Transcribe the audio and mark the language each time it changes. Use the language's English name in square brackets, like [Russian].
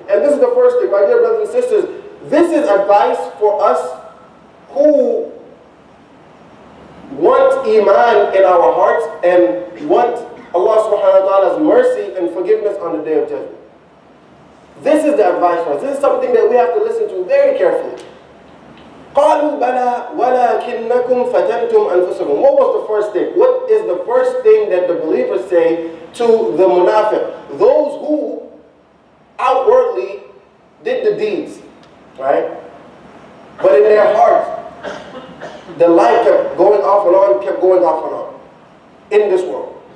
[English] And this is the first thing, my dear brothers and sisters. This is advice for us who want iman in our hearts and want Allah subhanahu wa ta'ala's mercy and forgiveness on the day of judgment. This is the advice for us. This is something that we have to listen to very carefully. [Arabic] قالوا بلى ولكنكم فتنتم أنفسكم. [English] What was the first thing? What is the first thing that the believers say to the munafiq? Those who outwardly did the deeds, right? But in their hearts, the light kept going off and on, kept going off and on in this world.